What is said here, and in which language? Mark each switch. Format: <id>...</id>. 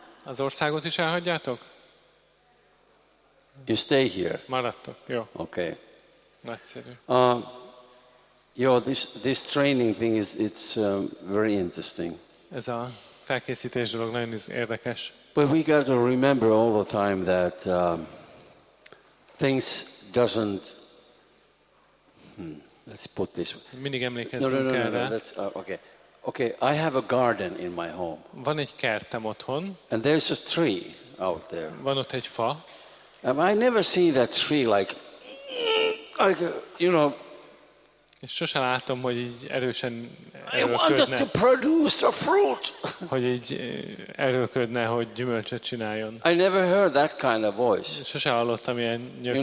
<hu>Az országot is elhagyjátok?</hu> <en>You stay here.</en> <hu>Maradtok, jó.</hu> <en>Okay.</en> <hu>Nagyszerű.</hu> <en>This training thing is very interesting.</en> <hu>Ez a felkészítés dolog nagyon érdekes.</hu> <en>But we got to remember all the time that things doesn't. Let's put this.</en> <hu>Mindig emlékezzünk erre.</hu> <en>Okay. I have a garden in my home.</en> <hu>Van egy kertem otthon.</hu> <en>And there's a tree out there.</en> <hu>Van ott egy fa.</hu> <en>I never see that tree like you know.</en> <hu>És sosem látom, hogy így erősen erőködne.</hu> <en>I wanted to produce a fruit.</en> <hu>Hogy így erőködne, hogy gyümölcsöt csináljon.</hu> <en>I never heard that kind of voice.</en> <hu>Sosem hallottam ilyen nyögést.</hu>